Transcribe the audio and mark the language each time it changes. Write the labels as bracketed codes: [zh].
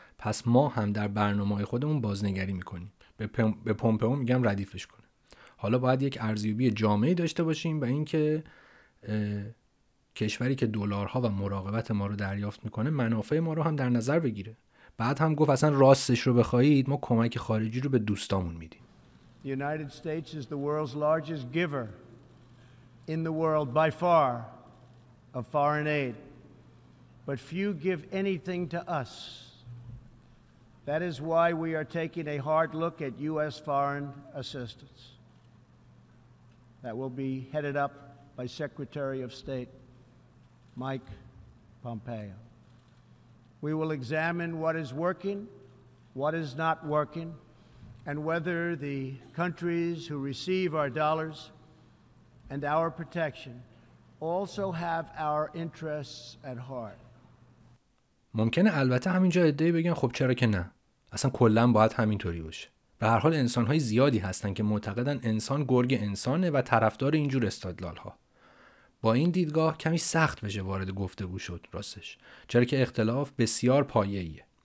[fa] پس ما هم در برنامه‌های خودمون بازنگری می‌کنیم. به پمپئو میگم ردیفش کنه. حالا باید یک ارزیابی جامعی داشته باشیم به اینکه کشوری که دلارها و مراقبت ما رو دریافت می‌کنه منافع ما رو هم در نظر بگیره. بعد هم گفت اصلا راستش رو بخواید ما کمک خارجی رو به دوستامون میدیم. [en] The United States is the world's largest giver in the world by far of foreign aid. But few give anything to us. That is why we are taking a hard look at US foreign assistance. That will be headed up by Secretary of State Mike Pompeo. We will examine what is working, what is not working, and whether the countries who receive our dollars and our protection also have our interests at heart. [fa] ممکنه البته همینجا ایده بگن خب چرا که نه؟ اصلا کلا باید همینطوری باشه. به هر حال انسان‌های زیادی هستن که معتقدن انسان گرگ انسانه و طرفدار اینجور استدلال‌ها. با این دیدگاه کمی سخت بشه وارد گفتگو شد راستش، چرا که اختلاف بسیار پایه‌ایه.